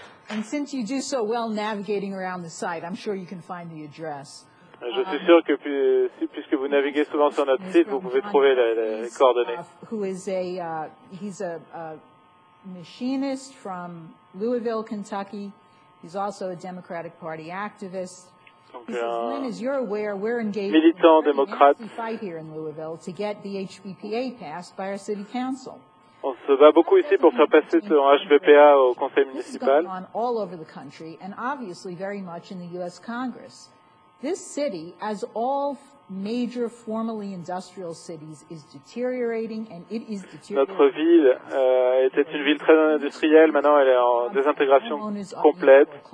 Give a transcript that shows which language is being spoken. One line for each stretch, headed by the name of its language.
English: And since you do so well navigating around the site, I'm sure you can find the address.
French: Je suis sûr que puisque vous naviguez souvent sur notre site, vous pouvez trouver les coordonnées.
English: Who is a he's a machinist from Louisville, Kentucky. He's also a Democratic Party activist.
French: Militant démocrate.
English: Fight here in Louisville to get the HBPA passed by our city council.
French: On se bat beaucoup ici pour faire passer ce HVPA au conseil municipal.
English: This is going on all over the country and obviously very much in the US Congress. This city, as all major formerly industrial cities, is deteriorating and it is deteriorating.
French: Notre ville était une ville très industrielle, maintenant elle est en désintégration complète.